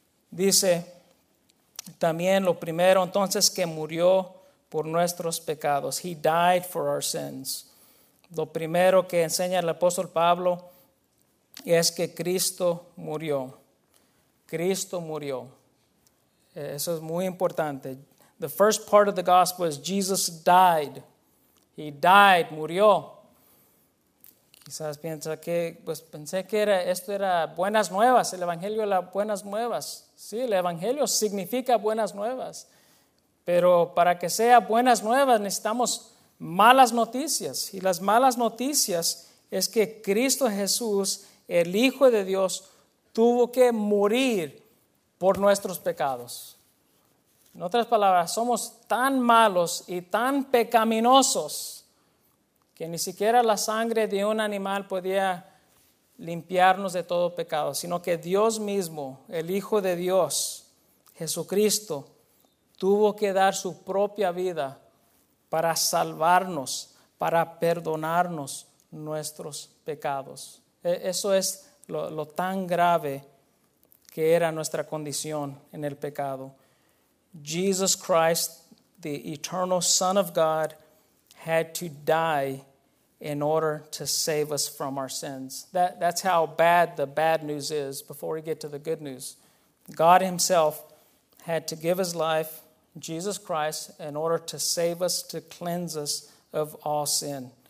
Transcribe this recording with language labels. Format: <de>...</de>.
<es>Dice también lo primero, entonces, que murió por nuestros pecados.</es> <en>He died for our sins.</en> <es>Lo primero que enseña el apóstol Pablo es que Cristo murió. Cristo murió. Eso es muy importante.</es> <en>The first part of the gospel is Jesus died. He died, murió.</en> <es>Quizás piensa que, pues pensé que era, esto era buenas nuevas, el evangelio de las buenas nuevas. Sí, el evangelio significa buenas nuevas. Pero para que sea buenas nuevas necesitamos malas noticias. Y las malas noticias es que Cristo Jesús, el Hijo de Dios, tuvo que morir por nuestros pecados. En otras palabras, somos tan malos y tan pecaminosos que ni siquiera la sangre de un animal podía limpiarnos de todo pecado, sino que Dios mismo, el Hijo de Dios, Jesucristo, tuvo que dar su propia vida para salvarnos, para perdonarnos nuestros pecados. Eso es lo tan grave que era nuestra condición en el pecado.</es> <en>Jesus Christ, the eternal Son of God, had to die in order to save us from our sins. That's how bad the bad news is before we get to the good news. God himself had to give his life, Jesus Christ, in order to save us, to cleanse us of all sin.</en>